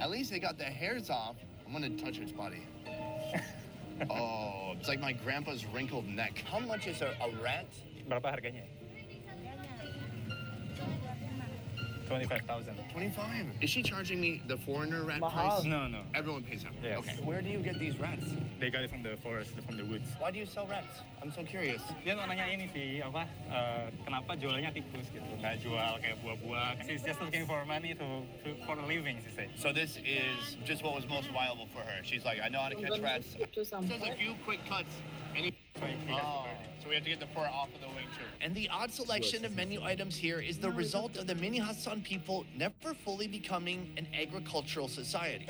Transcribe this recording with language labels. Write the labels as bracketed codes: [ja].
[en] At least they got the hairs off. I'm going to touch its body. Oh, it's like my grandpa's wrinkled neck. How much is a rat? [id] Berapa harganya? [en] 25,000. 25? Is she charging me the foreigner rat [id] Mahal. [en] Price? No, no. Everyone pays up. Yes. Okay. Where do you get these rats? They got it from the forest, from the woods. Why do you sell rats? I'm so curious. [id] Dia mau nanya ini sih, apa, kenapa jualnya tikus gitu. Nggak jual kayak buah-buah. [en] She's just looking for money for a living, she said. So this is just what was most viable for her. She's like, I know how to catch rats. She says a few quick cuts. So we have to get the fur off of the wing too. And the odd selection of menu items here is the result of the Minahasan people never fully becoming an agricultural society.